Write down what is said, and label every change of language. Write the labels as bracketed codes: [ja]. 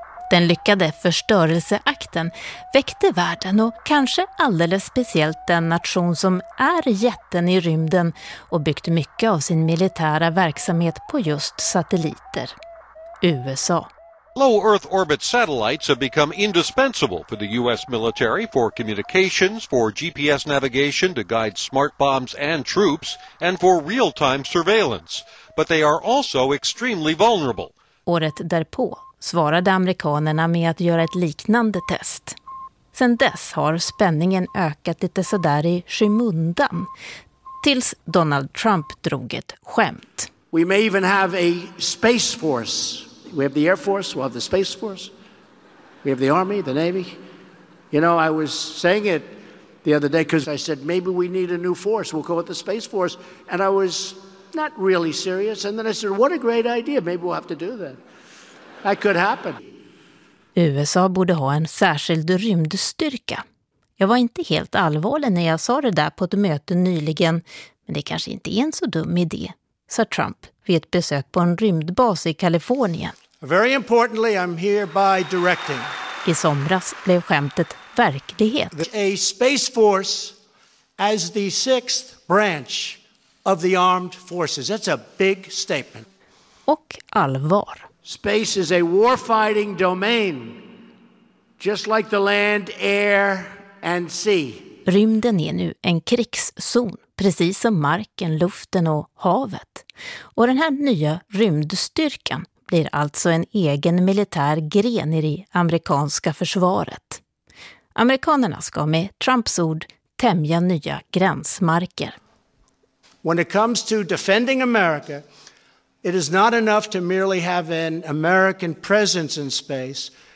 [sv] Den lyckade förstörelseakten väckte världen och kanske alldeles speciellt den nation som är jätten i rymden och byggt mycket av sin militära verksamhet på just satelliter. USA. [en] Low Earth orbit satellites have become indispensable for the US military for communications, for GPS navigation to guide smart bombs and troops, and for real-time surveillance. But they are also extremely vulnerable. [sv] Året därpå svarade amerikanerna med att göra ett liknande test. Sedan dess har spänningen ökat lite sådär i skymundan, tills Donald Trump drog ett skämt. [en] We may even have a space force. We have the Air Force, we have the Space Force, we have the Army, the Navy. You know, I was saying it the other day because I said, maybe we need a new force, we'll call it the Space Force. And I was not really serious. And then I said, what a great idea, maybe we'll have to do that. That could happen. [sv] USA borde ha en särskild rymdstyrka. Jag var inte helt allvarlig när jag sa det där på ett möte nyligen, men det kanske inte är en så dum idé, sa Trump vid ett besök på en rymdbas i Kalifornien. [en] Very importantly, I'm here by directing. [sv] I somras blev skämtet verklighet. [en] A space force as the sixth branch of the armed forces. That's a big statement. [sv] Och allvar. [en] Space is a warfighting domain, just like the land, air and sea. [sv] Rymden är nu en krigszon, precis som marken, luften och havet. Och den här nya rymdstyrkan blir alltså en egen militär gren i det amerikanska försvaret. Amerikanerna ska med Trumps ord tämja nya gränsmarker. [en] When it comes to defending America, it is not enough to merely have an American presence in space.